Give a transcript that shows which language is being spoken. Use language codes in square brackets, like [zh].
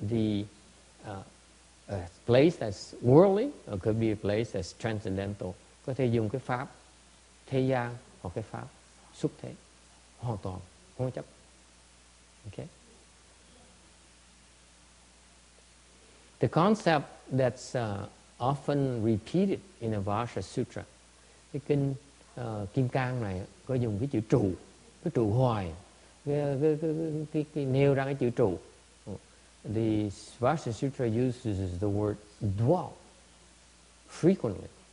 [en] It could be a place that's worldly, or could be a place that's transcendental. [vi] Có thể dùng cái pháp thế gian hoặc cái pháp xuất thế, hoàn toàn không chấp. Okay. [en] The concept that's often repeated in the Vajra Sutra, [vi] cái kinh Kim Cang này có dùng cái chữ trụ, cái trụ hoài, cái nêu ra cái chữ trụ. [en] The Vajra Sutra uses the word dwell frequently.